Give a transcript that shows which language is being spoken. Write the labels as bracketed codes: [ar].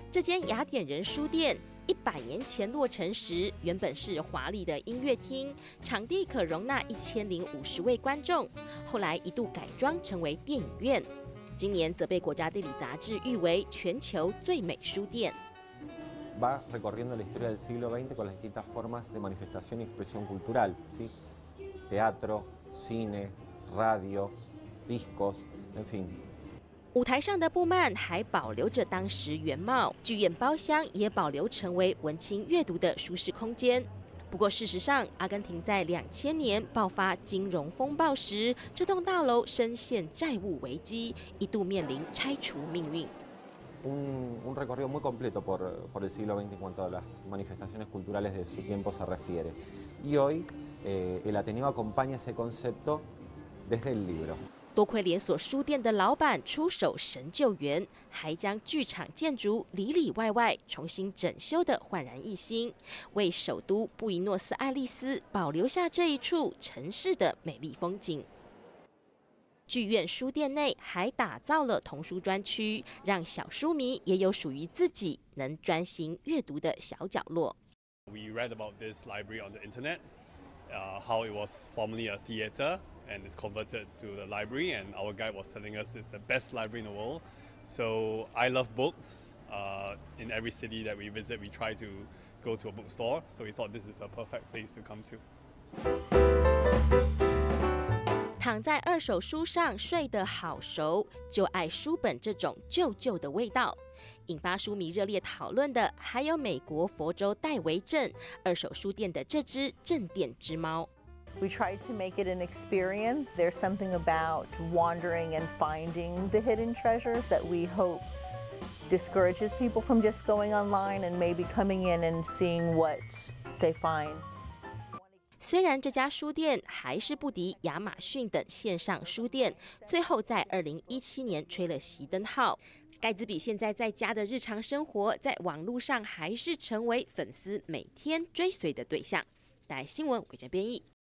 [zh] 这间雅典人书店100年前落成时，原本是华丽的音乐厅，场地可容纳1050位观众，后来一度改装成为电影院。今年则被《国家地理》杂志誉为全球最美书店。 [es] Va recorriendo la historia del siglo XX con las distintas formas de manifestación y expresión cultural, sí, teatro, cine, radio. Discos, en fin. [zh] 舞台上的布幔还保留着当时原貌，剧院包厢也保留成为文青阅读的舒适空间。不过事实上，阿根廷在2000年爆发金融风暴时，这栋大楼深陷债务危机，一度面临拆除命运。 [es] Un recorrido muy completo por el siglo XX en cuanto a las manifestaciones culturales de su tiempo se refiere. Y hoy, el Ateneo acompaña ese concepto desde el libro. [zh] 多亏连锁书店的老板出手神救援，还将剧场建筑里里外外重新整修的焕然一新，为首都布宜诺斯艾利斯保留下这一处城市的美丽风景。剧院书店内还打造了童书专区，让小书迷也有属于自己能专心阅读的小角落。 [en] We read about this library on the internet, how it was formerly a theater. And it's converted to the library, and our guide was telling us it's the best library in the world. So I love books. In every city that we visit, we try to go to a bookstore. So we thought this is a perfect place to come to. [zh] 躺在二手书上睡得好熟，就爱书本这种旧旧的味道。引发书迷热烈讨论的还有美国佛州戴维镇二手书店的这只镇店之猫。 [en] We tried to make it an experience. There's something about wandering and finding the hidden treasures that we hope discourages people from just going online and maybe coming in and seeing what they find. [zh] 虽然这家书店还是不敌亚马逊等线上书店，最后在2017年吹了熄灯号。盖茨比现在在家的日常生活，在网络上还是成为粉丝每天追随的对象。带新闻鬼家编译。